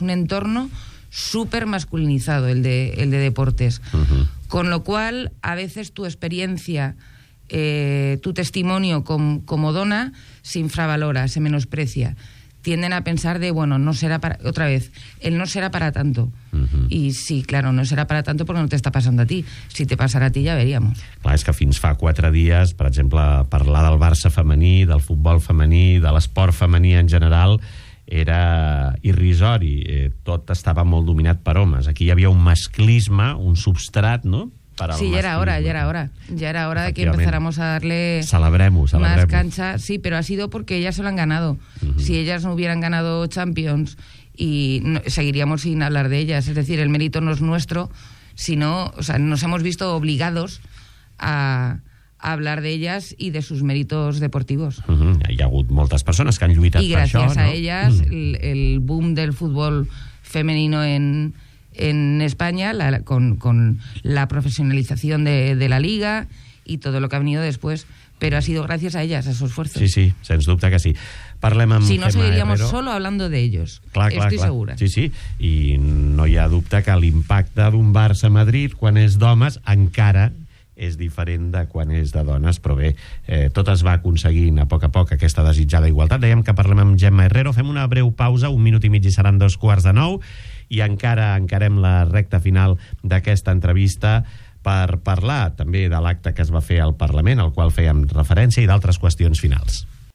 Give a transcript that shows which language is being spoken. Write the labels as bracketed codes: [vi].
[es] Es un entorno súper masculinizado el de deportes. Uh-huh. Con lo cual, a veces tu experiencia, tu testimonio como dona, se infravalora, se menosprecia. Tienden a pensar de, bueno, no será para... Otra vez, él no será para tanto. Uh-huh. Y sí, claro, no será para tanto porque no te está pasando a ti. Si te pasara a ti, ya veríamos. [ca] Clar, és que fins fa 4 dies, per exemple, parlar del Barça femení, del futbol femení, de l'esport femení en general... era irrisori, tot estava molt dominat per homes. Aquí hi havia un masclisme, un substrat, no? Per al sí, ja era hora. Ja era hora [es] de que empezáramos a darle... [ca] Celebrem-ho. [es] ...más cancha. Sí, pero ha sido porque ellas se lo han ganado. Uh-huh. Si ellas no hubieran ganado Champions, y seguiríamos sin hablar de ellas. Es decir, el mérito no es nuestro, sino, o sea, nos hemos visto obligados a hablar de ellas y de sus méritos deportivos. Uh-huh. [ca] Hi ha hagut moltes persones que han lluitat per això. I gràcies a elles, [es] el boom del futbol femenino en España, con la profesionalización de la liga y todo lo que ha venido después, pero ha sido gracias a ellas, a su esfuerzo. [ca] Sí, sí, sens dubte que sí. Parlem amb [es] si no, seguiríamos solo hablando de ellos. [ca] Clar, clar, [es] estoy [ca] clar. [es] Segura. [ca] Sí, sí, i no hi ha dubte que l'impacte d'un Barça-Madrid quan és d'homes encara és diferent de quan és de dones, però bé, tot es va aconseguint a poc aquesta desitjada igualtat. Dèiem que parlem amb Gemma Herrero, fem una breu pausa, un minut i mig i seran 9:15, i encara encarem la recta final d'aquesta entrevista per parlar també de l'acte que es va fer al Parlament, al qual fèiem referència, i d'altres qüestions finals.